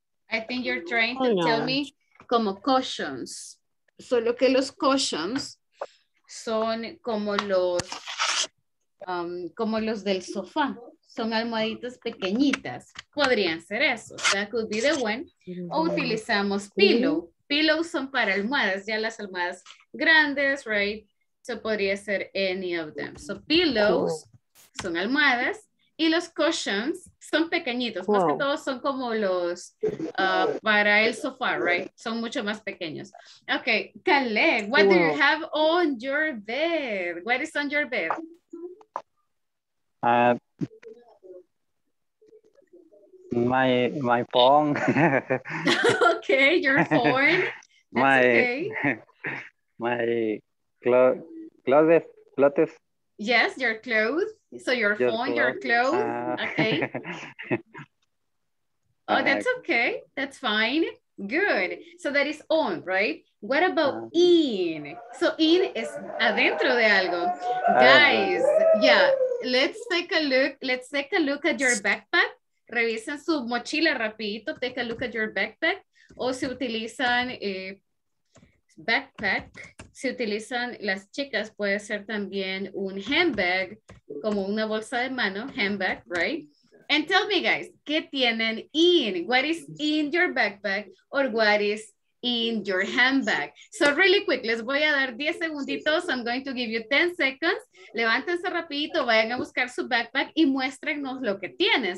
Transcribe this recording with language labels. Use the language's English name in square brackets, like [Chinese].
[English] I think you're trying to tell me como cushions. [Spanish] Solo que los cushions son como los del sofá. Son almohaditas pequeñitas. Podrían ser esos. [English] That could be the one. [Spanish] O utilizamos pillow. Pillows son para almohadas. Ya las almohadas grandes, right? So podría ser [English] any of them. [Spanish] So pillows son almohadas. Y los cushions son pequeñitos. Más que todo son como los para el sofá, right? Son mucho más pequeños. [English] Okay, Caleb, what do you have on your bed? What is on your bed? My phone. Okay, your phone. That's my okay. My clothes. Yes, your clothes. So your just phone, your clothes. Okay. Oh, that's okay. That's fine. Good. So that is on, right? What about in? So in is [Spanish] adentro de algo. [English] Guys, yeah. Let's take a look at your backpack. [Spanish] Revisen su mochila rapidito. [English] Take a look at your backpack. [Spanish] O si utilizan backpack, si utilizan las chicas, puede ser también un handbag, como una bolsa de mano, handbag, right? [English] And tell me, guys, [Spanish] ¿qué tienen [English] in? What is in your backpack or what is in your handbag? So really quick, [Spanish] les voy a dar 10 segunditos. [English] I'm going to give you 10 seconds. [Spanish] Levántense rapidito, vayan a buscar su backpack y muéstrenos lo que tienen.